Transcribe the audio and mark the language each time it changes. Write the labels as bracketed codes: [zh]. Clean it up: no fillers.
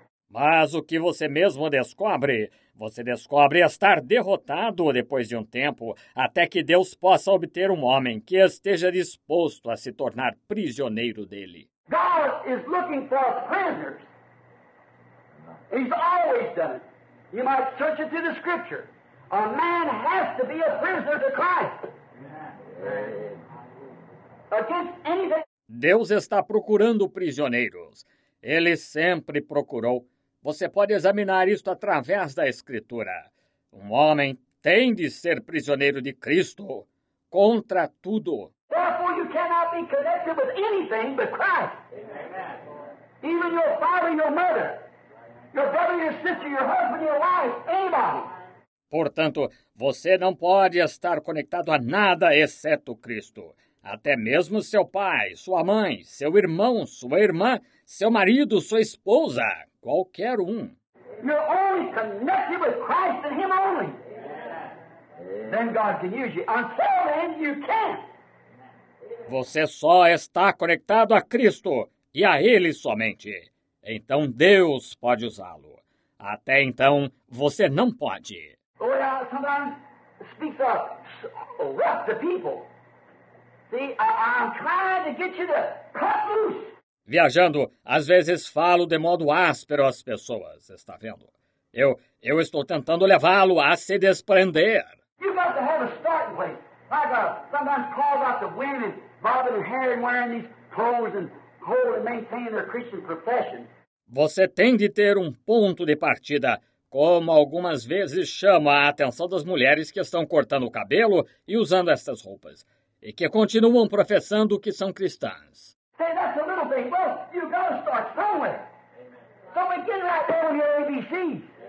[pt] Mas o que você mesmo descobre? Você descobre estar derrotado depois de tempo, até que Deus possa obter homem que esteja disposto a se tornar prisioneiro dele. [en] God is looking for prisoners. He's always done it. You might search it through the scripture. A man has to be a prisoner to Christ. Against anything. [pt] Deus está procurando prisioneiros. Ele sempre procurou. Você pode examinar isto através da Escritura. Homem tem de ser prisioneiro de Cristo contra tudo. [en] Therefore, you cannot be connected with anything but Christ. Amen. Even your father, your mother, your brother, your sister, your husband, your wife, anybody. [pt] Portanto, você não pode estar conectado a nada exceto Cristo. Até mesmo seu pai, sua mãe, seu irmão, sua irmã, seu marido, sua esposa. Qualquer [en] You're only connected with Christ and Him only. Yeah. Then God can use you. Until then, you can't. [pt] Você só está conectado a Cristo e a Ele somente. Então Deus pode usá-lo. Até então, você não pode. [en] Oh, yeah, sometimes speak up. What the people? See, I'm trying to get you to cut loose. [pt] Viajando, às vezes falo de modo áspero às pessoas, está vendo? Eu estou tentando levá-lo a se desprender. [en] You got to have a starting place. Like sometimes called out the women, bobbing their hair and wearing these clothes and hold and maintain their Christian profession. [pt] Você tem de ter ponto de partida, como algumas vezes chamo a atenção das mulheres que estão cortando o cabelo e usando essas roupas, e que continuam professando que são cristãs. [en] Say, that's a little thing. Well, you've got to start somewhere. So begin right there with your ABCs.